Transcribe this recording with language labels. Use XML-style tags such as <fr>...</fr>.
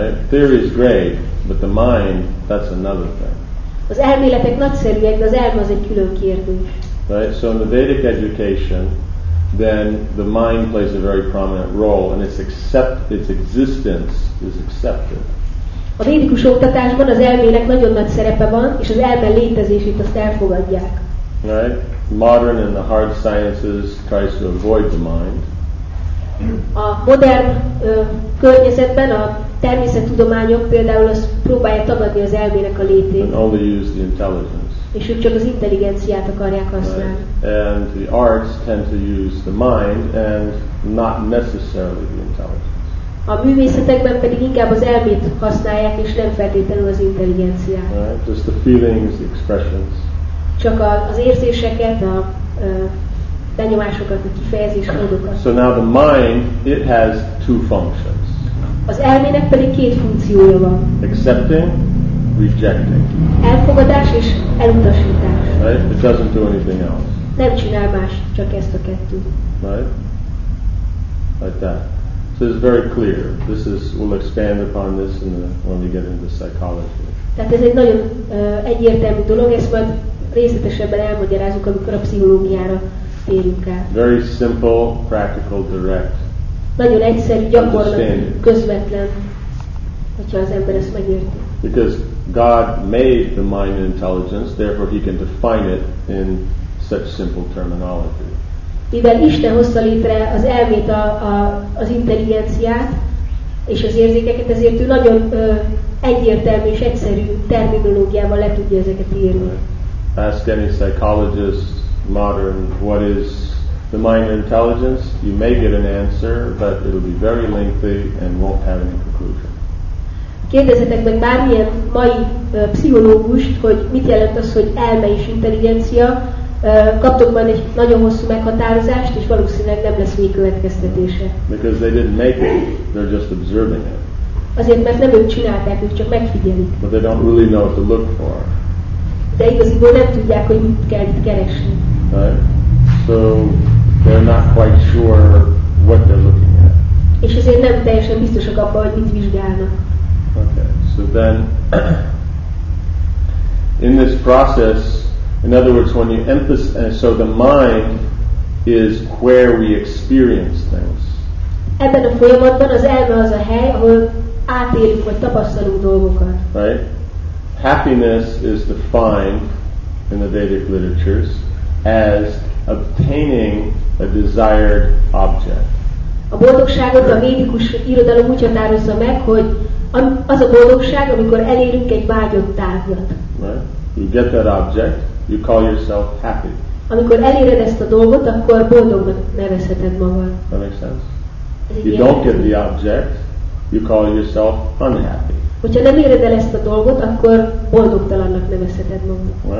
<en>Right. Theory is great, but the mind, that's another thing.</en> <hu>Az elméletek nagyszerűek, de az elme az egy külön kérdés.</hu> <en>Right, so in the Vedic education, then the mind plays a very prominent role, and its existence is accepted.</en> <hu>A védikus oktatásban az elmének nagyon nagy szerepe van, és az elme létezését azt elfogadják.</hu> <en>Right, modern and the hard sciences tries to avoid the mind.</en> <hu>A modern környezetben a természettudományok például azt próbálja tagadni az elmének a létét.</hu> <en>And only use the intelligence.</en> <hu>És ők csak az intelligenciát akarják használni.</hu> <en>Right. And the arts tend to use the mind and not necessarily the intelligence.</en> <hu>A művészetekben pedig inkább az elmét használják, és nem feltétlenül az intelligenciát.</hu> <en>Right. Just the feelings, the expressions.</en> <hu>Csak az érzéseket, a benyomásokat, a kifejezés módokat.</hu> <en>So now the mind, it has two functions.</en> <hu>Az elmének pedig két funkciója van.</hu> <en>Accepting, rejecting.</en> <hu>Elfogadás és elutasítás.</hu> <en>Right? It doesn't do anything else.</en> <hu>Nem csinál más, csak ezt a kettőt.</hu> <en>Right? Like that. So it's very clear. This is, we'll expand upon this in the, when we get into psychology.</en> <hu>Tehát ez egy nagyon egyértelmű dolog, ezt majd részletesebben elmagyarázunk, amikor a pszichológiára térünk át.</hu> <en>Very simple, practical, direct.</en> <hu>Nagyon egyszerű, gyakorlat, közvetlen, hogyha az ember ezt megérti.</hu> <en>Because God made the mind and intelligence, therefore he can define it in such simple terminology.</en> <hu>Mivel Isten hozta létre az elmét, az intelligenciát és az érzékeket, ezért ő nagyon egyértelmű és egyszerű terminológiával le tudja ezeket írni.</hu> <en>Ask any psychologist, modern, what is the mind and intelligence, you may get an answer, but it'll be very lengthy and won't have any conclusion.</en> <hu>Kérdezzetek meg bármilyen mai pszichológust, hogy mit jelent az, hogy elme és intelligencia, kaptok majd egy nagyon hosszú meghatározást, és valószínűleg nem lesz még következtetése.</hu> <en>Because they didn't make it, they're just observing it.</en> <hu>Azért, mert nem ők csinálták, ők csak megfigyelik.</hu> <en>But they don't really know what to look for.</en> <hu>De igaziból nem tudják, hogy mit kell itt keresni.</hu> <en>So they're not quite sure what they're looking at.</en> <hu>És ezért nem teljesen biztosak abban, hogy mit vizsgálnak.</hu> <en>Okay, so then, in this process, in other words, when you emphasize, so the mind is where we experience things.</en> <hu>Ebben a folyamatban az elme az a hely, ahol átélünk vagy tapasztalunk dolgokat.</hu> <en>Right? Happiness is defined in the Vedic literatures as obtaining a desired object.</en> <hu>A boldogságot a védikus irodalom úgy határozza meg, hogy az a boldogság, amikor elérünk egy vágyott tárgyat.</hu> <en>Right. You get that object, you call yourself happy.</en> <hu>Amikor eléred ezt a dolgot, akkor boldognak nevezheted magad.</hu> <en>That makes sense? You don't get the object, you call yourself unhappy.</en> <hu>Hogyha nem éred el ezt a dolgot, akkor boldogtalannak nevezheted magad.</hu>